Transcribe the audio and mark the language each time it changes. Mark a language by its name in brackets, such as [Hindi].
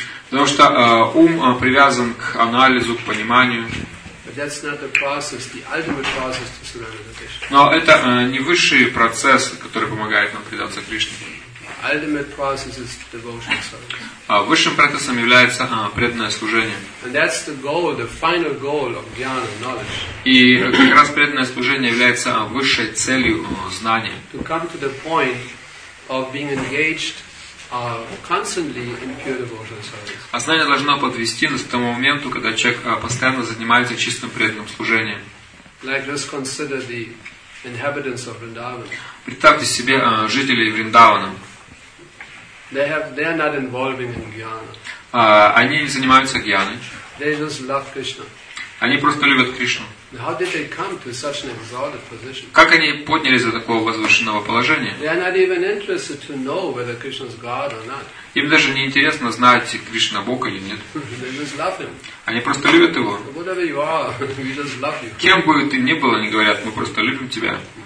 [Russian] Потому что ум привязан к анализу, к пониманию. [English] But that's not the process, the ultimate process to surrender to Krishna. [Russian] Но это не высший процесс, который помогает нам предаться Кришне. [English] Ultimate process is devotion service. [Russian] Высшим процессом является преданное служение. [English] And that's the goal, the final goal of jnana, knowledge. [Russian] И как раз преданное служение является высшей целью знания. [English] To come to the point of being engaged constantly in pure devotion service. [Russian] Осознание должно подвести нас к тому моменту, когда человек постоянно занимается чистым преданным служением. [English] Like, just consider the inhabitants of Vrindavan. [Russian] Представьте себе жителей Вриндавана. [English] They are not involving in jnana. [Russian] Они не занимаются гьяной. [English] They just love Krishna. [Russian] Они просто любят Кришну. [English] How did they come to such an exalted position? [Russian] Как они поднялись до такого возвышенного положения? [English] They are not even interested to know whether Krishna is God or not. [Russian] Им даже не интересно знать, Кришна Бог или нет. [English] They just love him. [Russian] Они просто любят его. [English] Whatever you are, we just love you. [Russian] Кем бы ты ни был, они говорят, мы просто любим тебя.